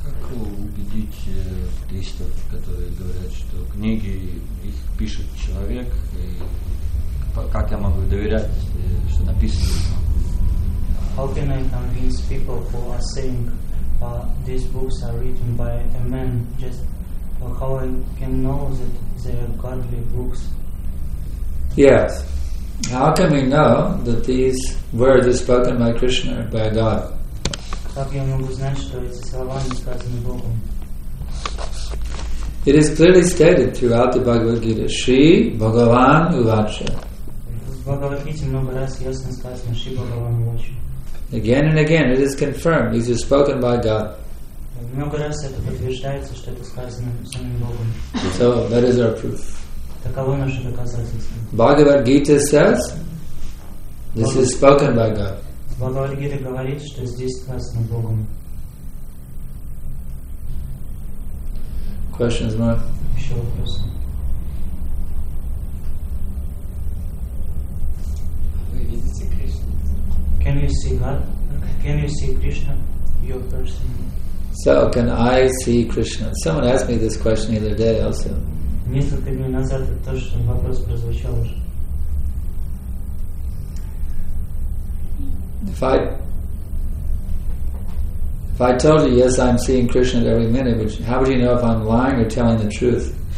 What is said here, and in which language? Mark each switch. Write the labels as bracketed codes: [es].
[ru] Убедить атеистов, которые говорят, что книги их пишет человек, и как я могу доверять, что написано? [en] How can I convince people who are saying these books are written by a man? Just how I can know that they are godly books? Yes. How can we know that these words are spoken by Krishna, by God? [ru] Как я могу знать, что эти слова не сказаны Богом? [en] It is clearly stated throughout the Bhagavad Gita, Shri Bhagavan Uvacha. [ru] В Бхагавад-гите много раз ясно сказано Shri Bhagavan Uvacha. [en] Again and again, it is confirmed, these are spoken by God. [ru] Много раз это подтверждается, что это сказано самим Богом. [en] So that is our proof. [ru] Таково наше доказательство. [en] Bhagavad Gita says, this is spoken by God. [ru] Бхагавад-гита говорит, что здесь сказано Богом. [en] Questions, Mark? [ru] Еще вопросы. Вы видите Кришну? [en] Can you see God? Can you see Krishna? Your person? So, can I see Krishna? Someone asked me this question the other day also. [ru] Несколько дней назад это тоже вопрос прозвучал уже. [en] If I told you, yes, I'm seeing Krishna at every minute, which, how would you know if I'm lying or telling the truth?